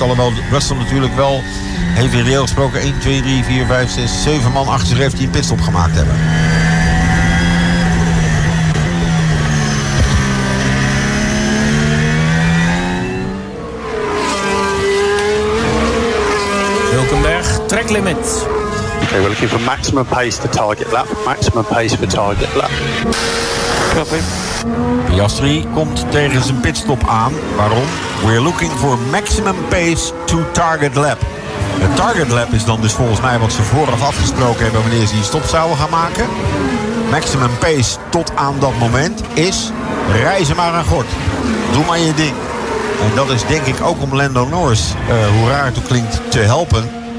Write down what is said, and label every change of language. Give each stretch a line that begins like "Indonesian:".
Dutch: Alhoewel Russell natuurlijk wel, heeft in reëel gesproken, 1, 2, 3, 4, 5, 6, 7 man achter zich heeft die een pitstop gemaakt hebben. Hülkenberg, track limit.
English: Okay, we're looking for maximum pace for target lap. Maximum pace for target lap. Copy.
Dutch: Piastri komt tegen zijn pitstop aan. Waarom?
English: We're looking for maximum pace to target lap.
Dutch: De target lap is dan dus volgens mij wat ze vooraf afgesproken hebben wanneer ze die stop zouden gaan maken.
English: Maximum pace
Dutch: tot aan dat moment is reizen maar aan gort. Doe maar je ding. En dat is denk ik ook om Lando Norris, hoe raar het ook klinkt, te helpen.